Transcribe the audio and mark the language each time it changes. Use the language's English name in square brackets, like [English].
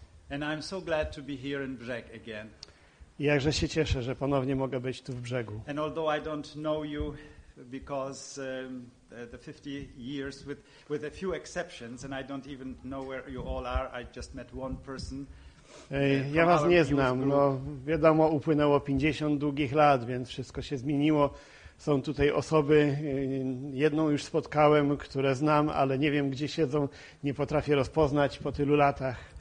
[English] And I'm so glad to be here in Brzeg again. [Polish] I jakże się cieszę, że ponownie mogę być tu w Brzegu. [English] And although I don't know you, because the 50 years with a few exceptions, and I don't even know where you all are. I just met one person. [Polish] Ja was nie znam. No, wiadomo, upłynęło 50 długich lat, więc wszystko się zmieniło. Są tutaj osoby, jedną już spotkałem, które znam, ale nie wiem, gdzie siedzą, nie potrafię rozpoznać po tylu latach.